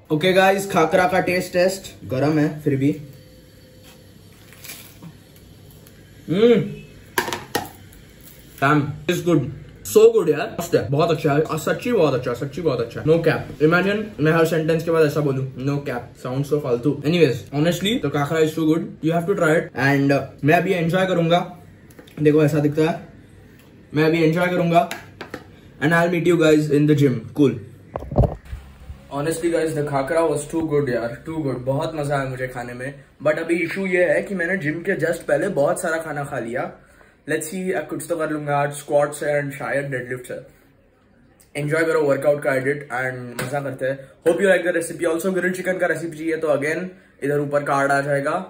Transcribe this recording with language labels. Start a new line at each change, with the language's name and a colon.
Hindi: Okay guys, khakhra का test test गरम है फिर भी।
English: Damn, it's good. So good
Hindi: यार, बहुत अच्छा है, सच्ची बहुत अच्छा, सच्ची बहुत अच्छा।
English: No cap.
Hindi: Imagine मैं हर सेंटेंस के बाद ऐसा बोलूं,
English: No cap. Sounds so
Hindi: फालतू।
English: Anyways, honestly, the kakra is too good. You have to try it.
Hindi: And मैं अभी enjoy करूंगा। देखो ऐसा दिखता है। मैं अभी enjoy करूंगा।
English: And I'll meet you guys in the gym. Cool. Honestly guys, the khakra was too good
Hindi: यार,
English: too good.
Hindi: बहुत मजा आया मुझे खाने में। But अभी issue ये है कि मैंने जिम के जस्ट पहले बहुत सारा खाना खा लिया।
English: Let's see,
Hindi: कुछ तो कर लूंगा आज, स्क्वाट्स है एंड शायद डेडलिफ्ट है। एंजॉय करो वर्कआउट का एडिट एंड मजा करते हैं।
English: Hope you like the recipe.
Hindi: Also grill chicken का रेसिपी चाहिए तो अगेन इधर ऊपर कार्ड आ जाएगा।